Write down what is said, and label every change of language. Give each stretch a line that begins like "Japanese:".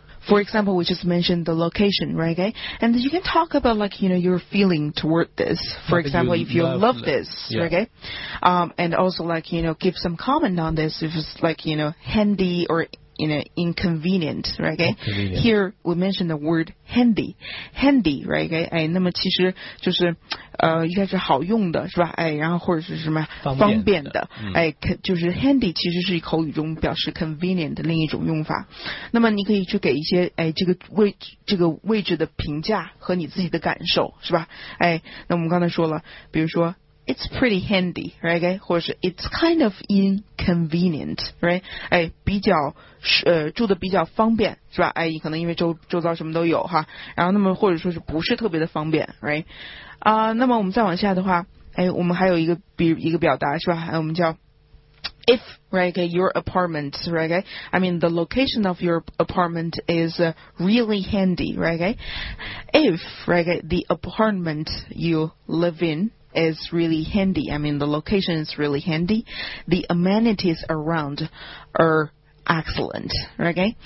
English: For example, we just mentioned the location, right? Okay? And you can talk about, like, you know, your feeling toward this. For example, if you love this, yeah. Right? Okay? And also, like, you know, give some comment on this if it's, like, you know, handy or, you know, inconvenient, right? Okay? Inconvenient. Here, we mentioned the word handy. Handy, right? Okay?
Chinese: 哎，那么其实就是，应该是好用的，是吧？哎，然后或者是什么方便的，哎，就是 handy 其实是口语中表示 convenient 的另一种用法。那么你可以去给一些哎这个位置的评价和你自己的感受，是吧？哎，那我们刚才说了，比如说
English: It's pretty handy, right?
Chinese: 或者是
English: It's kind of inconvenient, right?
Chinese: 哎，比较住的比较方便，是吧？哎，可能因为周遭什么都有哈。然后那么或者说是不是特别的方便 ，right？ 啊，那么我们再往下的话，哎，我们还有一个表达是吧？哎，我们叫。
English: If, right, your apartment, right, I mean, the location of your apartment is really handy, right? If, right, the apartment you live in is really handy, I mean, the location is really handy, the amenities around are excellent, right?